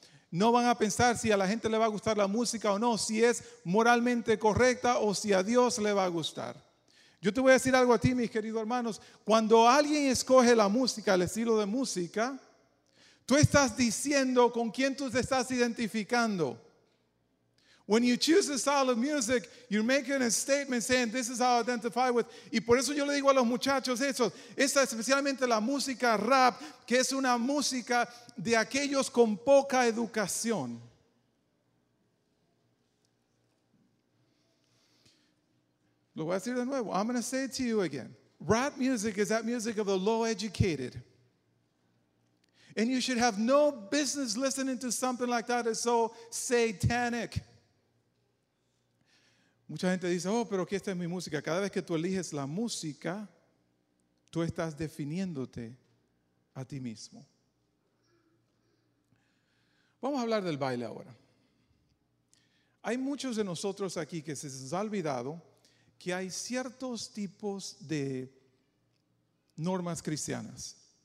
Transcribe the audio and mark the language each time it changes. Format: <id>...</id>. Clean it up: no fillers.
<es>No van a pensar si a la gente le va a gustar la música o no, si es moralmente correcta o si a Dios le va a gustar. Yo te voy a decir algo a ti, mis queridos hermanos. Cuando alguien escoge la música, el estilo de música, tú estás diciendo con quién tú te estás identificando.</es> <en>When you choose a style of music, you're making a statement saying, this is how I identify with.</en> <es>Y por eso yo le digo a los muchachos eso. Esa, especialmente la música rap, que es una música de aquellos con poca educación. Lo voy a decir de nuevo.</es> <en>I'm going to say it to you again. Rap music is that music of the low educated. And you should have no business listening to something like that. It's so satanic.</en> <es>Mucha gente dice, oh, pero que esta es mi música. Cada vez que tú eliges la música, tú estás definiéndote a ti mismo. Vamos a hablar del baile ahora. Hay muchos de nosotros aquí que se nos ha olvidado que hay ciertos tipos de normas cristianas.</es>